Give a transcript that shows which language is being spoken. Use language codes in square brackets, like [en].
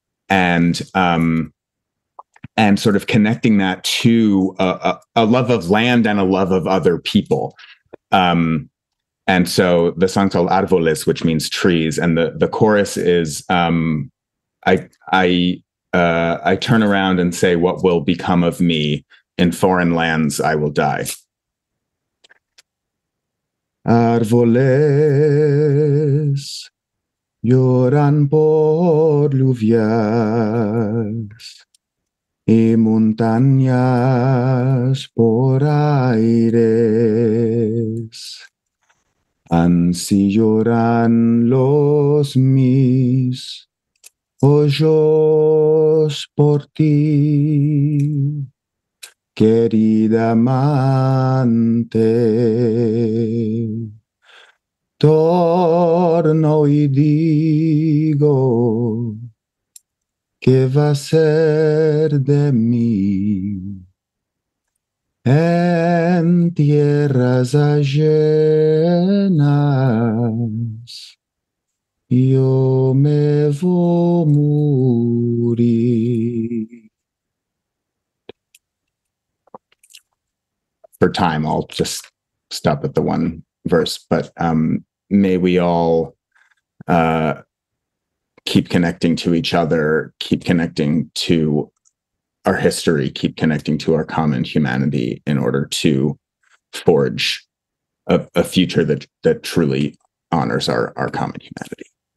[en] And sort of connecting that to a love of land and a love of other people. And so the song's called Árboles, which means trees. And the chorus is, I turn around and say, what will become of me? In foreign lands, I will die. [es] Árboles lloran por lluvias y montañas por aires. Ansi lloran los mis ojos por ti, querida amante. Torno y digo, ¿qué va a ser de mí? En tierras ajenas, yo me voy a morir. [en] For time, I'll just stop at the one verse, but may we all keep connecting to each other, keep connecting to our history, keep connecting to our common humanity in order to forge a future that truly honors our common humanity.